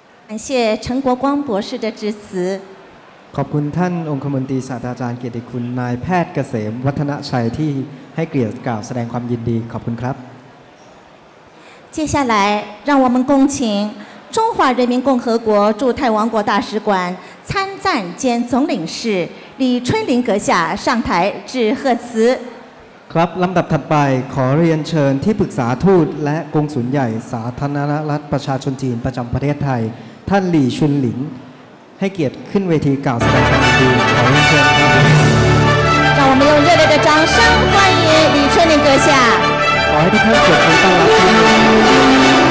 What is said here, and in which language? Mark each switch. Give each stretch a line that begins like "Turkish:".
Thai: ขอบคุณ
Chinese: 陈国光博士的致辞
Thai: ขอบคุณท่านองคมนตรีศาสตราจารย์เกียรติคุณนายแพทย์เกษมวัฒนชัยที่ให้เกียรติกล่าวแสดงความยินดีขอบคุณครับ
Chinese: 接下来让我们恭请中华人民共和国驻泰王国大使馆参赞兼总领事李春林阁下上台致贺词
Thai: ครับลำดับถัดไปขอเรียนเชิญที่ปรึกษาทูตและกงสุลใหญ่สาธารณรัฐประชาชนจีนประจำประเทศไทยท่านหลี่ชุนหลินให้เกียรติขึ้นเวทีกล่าวแสดงความยินดีขอเรียนเชิญครับ
Chinese: 让我们用热烈的掌声欢迎李春林阁下
Thai: ขอให้ทุกท่านเกิดความต้อนรับ